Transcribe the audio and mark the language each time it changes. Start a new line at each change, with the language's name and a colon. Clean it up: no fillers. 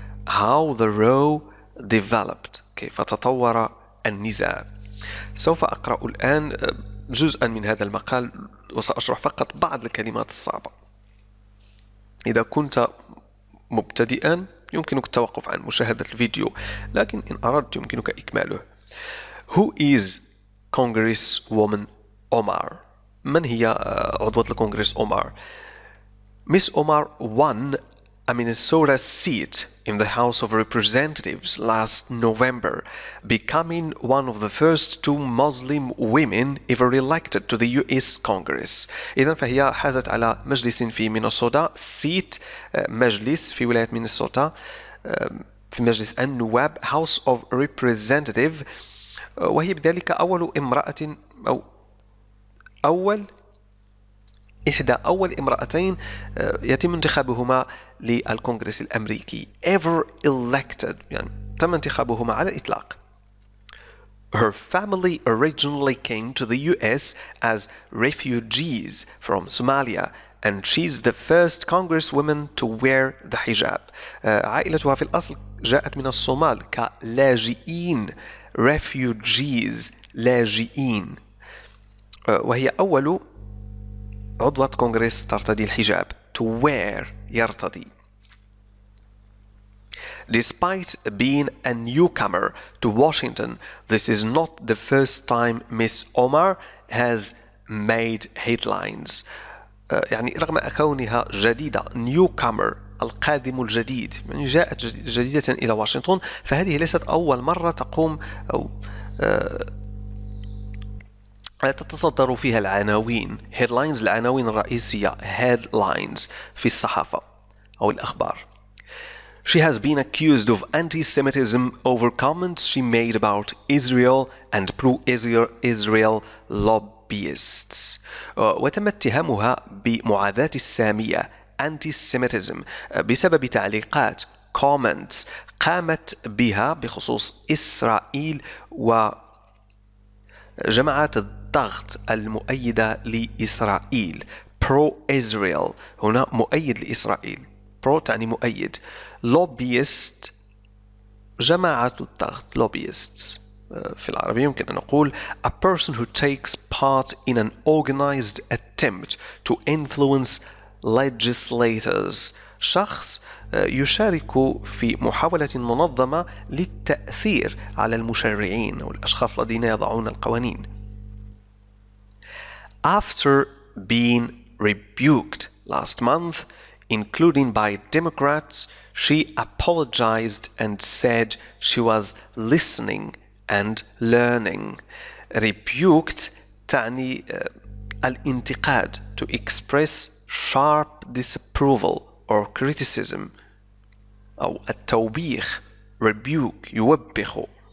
English: How the row developed.
Arabic: كيف تطور النزاع. سوف أقرأ الآن جزءا من هذا المقال وسأشرح فقط بعض الكلمات الصعبة. إذا كنت مبتدئا يمكنك التوقف عن مشاهدة الفيديو لكن إن أردت يمكنك إكماله.
English: Who is Congresswoman Omar؟
Arabic: من هي عضوة الكونغرس أومار؟
English: Miss Omar won a Minnesota seat in the House of Representatives last November, becoming one of the first two Muslim women ever elected to the U.S. Congress.
Arabic: إذن فهي حازت على مجلس في مينيسوتا seat مجلس في ولاية مينيسوتا في مجلس النواب
English: House of Representatives
Arabic: وهي بذلك أول امرأة أو أول إحدى أول امرأتين يتم انتخابهما للكونغرس الأمريكي
English: ever elected
Arabic: يعني تم انتخابهما على الإطلاق.
English: Her family originally came to the US as refugees from Somalia and she's the first congresswoman to wear the hijab.
Arabic: عائلتها في الأصل جاءت من الصومال كلاجئين refugees لاجئين وهي أول عضوة كونغرس ترتدي الحجاب
English: to wear
Arabic: يرتدي.
English: Despite being a newcomer to Washington, this is not the first time Miss Omar has made headlines.
Arabic: يعني رغم كونها جديدة newcomer القادم الجديد يعني جاءت جديدة إلى واشنطن فهذه ليست أول مرة تقوم أو تتصدر فيها العناوين headlines العناوين الرئيسية headlines في الصحافة أو الأخبار.
English: She has been accused of anti-Semitism over comments she made about Israel and pro-Israel lobbyists.
Arabic: وتم اتهامها بمعاداة السامية anti-Semitism بسبب تعليقات comments قامت بها بخصوص إسرائيل وجماعات الضغط المؤيدة لإسرائيل pro-Israel هنا مؤيد لإسرائيل pro تعني مؤيد lobbyist جماعة الضغط lobbyists في العربي يمكن أن نقول
English: a person who takes part in an organized attempt to influence legislators
Arabic: شخص يشارك في محاولة منظمة للتأثير على المشرعين أو الأشخاص الذين يضعون القوانين.
English: After being rebuked last month including by Democrats, she apologized and said she was listening and learning.
Arabic: Rebuked تعني الانتقاد
English: to express sharp disapproval or criticism
Arabic: أو التوبيخ rebuke يوبخ.